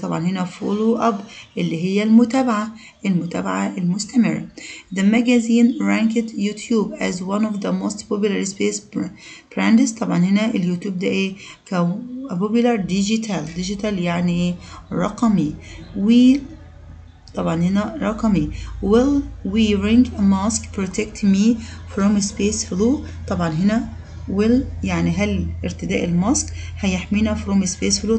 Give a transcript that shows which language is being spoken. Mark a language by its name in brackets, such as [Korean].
[Arabic] طبعا هنا follow up اللي هي المتابعة المستمرة. [English] The magazine ranked YouTube as one of the most popular space brands. [Arabic] طبعا هنا اليوتيوب ده ايه ك popular digital. Digital يعني رقمي. طبعا هنا رقمي. [English] Will wearing a mask protect me from space flu. [Arabic] طبعا هنا will يعني هل ارتداء الماسك هيحمينا [English] from space flu.